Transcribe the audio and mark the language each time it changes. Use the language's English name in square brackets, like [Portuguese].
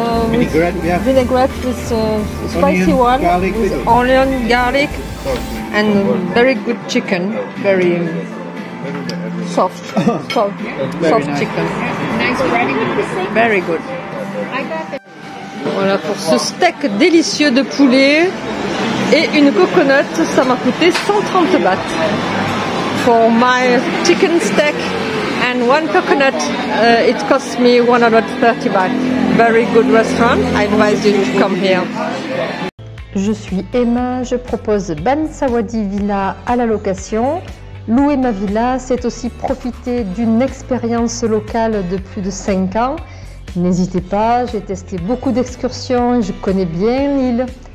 [English] Vinaigrette, this spicy onion, one garlic, with onion, garlic and very good chicken, very soft, soft, very soft nice. Chicken. Very good. [French] Voilà pour ce steak délicieux de poulet et une coconut, ça m'a coûté 130 baht. [English] For my chicken steak and one coconut, it cost me 130 baht. Very good restaurant, I advise you to come here. [French] Je suis Emma, je propose Ban Sawadi Villa à la location. Louer ma villa, c'est aussi profiter d'une expérience locale de plus de 5 ans. N'hésitez pas, j'ai testé beaucoup d'excursions et je connais bien l'île.